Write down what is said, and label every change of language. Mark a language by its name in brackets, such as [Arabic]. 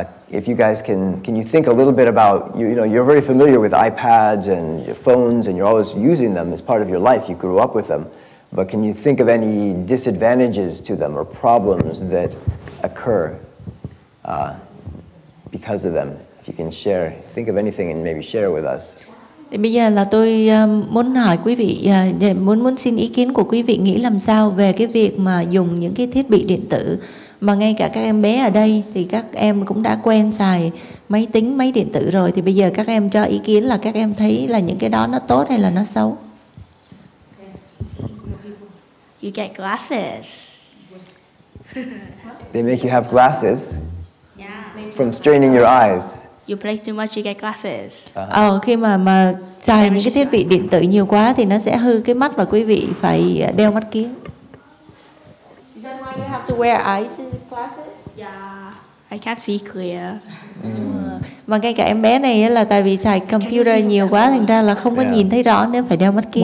[English] If you guys can you think a little bit about, you know, you're very familiar with iPads and your phones, and you're always using them as part of your life, you grew up with them, but can you think of any disadvantages to them or problems that occur because of them? If you can share, think of anything and maybe share with us. [Vietnamese] Thì bây giờ là tôi muốn hỏi quý vị, muốn xin ý kiến của quý vị nghĩ làm sao về cái việc mà dùng những cái thiết bị điện tử. Mà ngay cả các em bé ở đây thì các em cũng đã quen xài máy tính, máy điện tử rồi. Thì bây giờ các em cho ý kiến là các em thấy là những cái đó nó tốt hay là nó xấu. [English] You get glasses. They make you have glasses? Yeah. From straining your eyes. You play too much, you get glasses. [Vietnamese] Khi mà xài những cái thiết bị điện tử nhiều quá thì nó sẽ hư cái mắt và quý vị phải đeo mắt kiếng. [English] Is that why you have to wear eyes in glasses? Yeah, I can't see clear. [Vietnamese] Mà ngay cả em bé này là tại vì xài computer nhiều quá thành ra là không có nhìn thấy rõ nên phải đeo mắt kiếng.